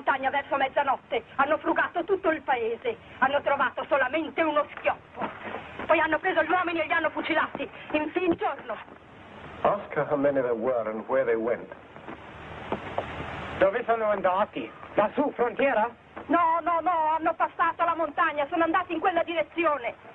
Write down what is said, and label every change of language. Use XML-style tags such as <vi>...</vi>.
<it>Verso mezzanotte hanno frugato tutto il paese, hanno trovato solamente uno schioppo, poi hanno preso gli uomini e li hanno fucilati in fin giorno.</it> <en>Ask her how many there were and where they went.</en> <it>Dove sono andati? Lassù, frontiera? No, hanno passato la montagna, sono andati in quella direzione.</it>